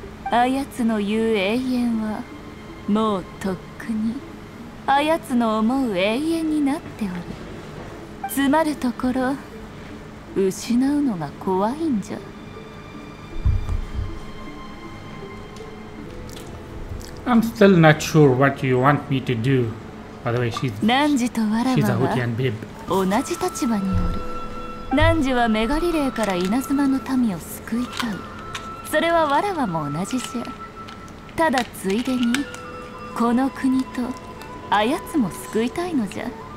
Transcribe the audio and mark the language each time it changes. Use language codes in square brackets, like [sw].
[ja] あやつの言う永遠はもうとっくにあやつの思う永遠になっておる。詰まるところ失うのが怖いんじゃ。 [en] I'm still not sure what you want me to do. By the way, she's [ja] ナンジとわらわは同じ立場におる。ナンジはメガリレーから稲妻の民を救いたい。それはわらわも同じじゃ。ただついでにこの国とあやつも救いたいのじゃ。